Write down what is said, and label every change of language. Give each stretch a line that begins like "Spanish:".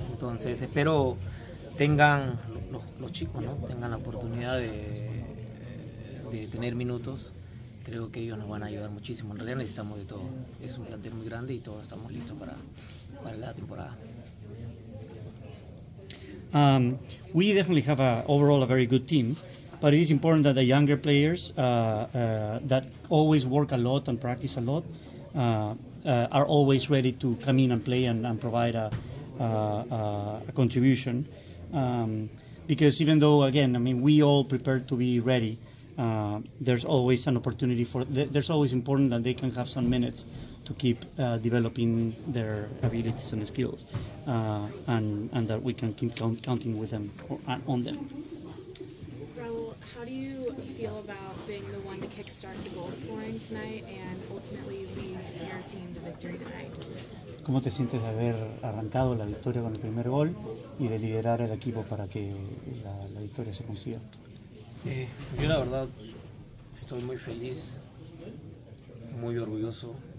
Spanish: Entonces espero tengan los chicos, ¿no?, tengan la oportunidad de tener minutos. Creo que ellos nos van a ayudar muchísimo. En realidad necesitamos de todo, es un plantel muy grande y todos estamos listos para la temporada.
English: We definitely have overall a very good team, but it is important that the younger players that always work a lot and practice a lot are always ready to come in and play and provide a contribution. Because even though, again, I mean, we all prepare to be ready, there's always an opportunity for, there's always important that they can have some minutes to keep developing their abilities and skills, and that we can keep counting with them or on them. Raúl, how do you feel about being the one to kickstart the goal scoring tonight and ultimately lead your team to victory tonight?
Spanish: ¿Cómo te sientes de haber arrancado la victoria con el primer gol y de liderar el equipo para que la victoria se consiga? Yo la verdad estoy muy feliz, muy orgulloso.